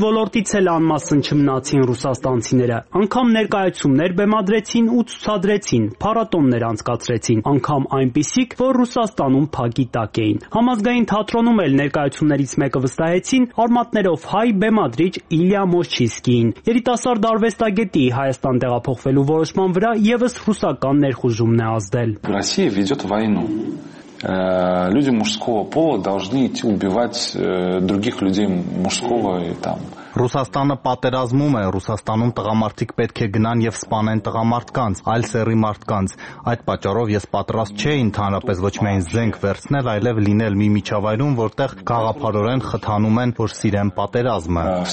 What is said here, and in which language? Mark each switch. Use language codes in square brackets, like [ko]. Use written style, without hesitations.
[hy] ոլորտից էլ անմասն չմնացին ռուսաստանցիները։ Անգամ ներկայացումներ բեմադրեցին ու ցուցադրեցին, փառատոններ անցկացրեցին, անգամ այնպիսիք, որ Ռուսաստանում փակի տակ էին։ Համազգային թատրոնում էլ ներկայացումներից մեկը վստահեցին արմատներով հայ բեմադրիչ Իլյա Մոշչիսկին։ Երիտասարդ արվեստագետի Հայաստան տեղափոխվելու որոշման վրա ևս ռուսական ներխուժումն է ազդել։ [ru] Ռուսիա վեդյոթ վայնո։ Люди мужского пола должны идти убивать других людей мужского и там. [hy] Ռուսաստանը պատերազմում է, Ռուսաստանում տղամարդիկ պետք է գնան եւ սպանեն տղամարդկանց, այլ սեռի մարդկանց։ Այդ պատճառով ես պատրաստ չէի ընդհանրապես ոչ միայն զենք վերցնել, այլև լինել մի միջավայրում, որտեղ գաղափարորեն խթանում են, որ սիրեն պատերազմը։